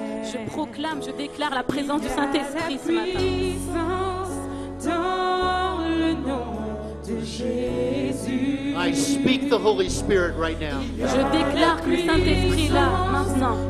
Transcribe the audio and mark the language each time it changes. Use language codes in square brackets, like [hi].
[fr] Je proclame, je déclare la présence du Saint-Esprit ce matin. Puissance dans le nom de Jésus. [en] I speak the Holy Spirit right now. [fr] Je déclare que le Saint-Esprit est là maintenant.